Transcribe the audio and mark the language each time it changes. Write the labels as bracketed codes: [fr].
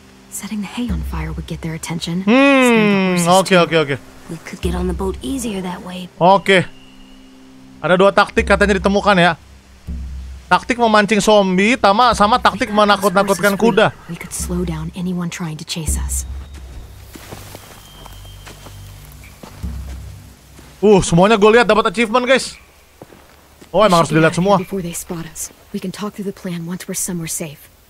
[en] Setting the hay on fire would get their attention. [id] Oke. [en] We could get on the boat easier that way. [id] Oke. Ada dua taktik katanya ditemukan ya. Taktik memancing zombie sama taktik menakut-nakutkan kuda. [en] We could slow down anyone trying to chase us. [id] Semuanya gue lihat dapat achievement, guys. Oh, emang harus dilihat semua. [en] Before they spot us, we can talk through the plan once we're somewhere safe.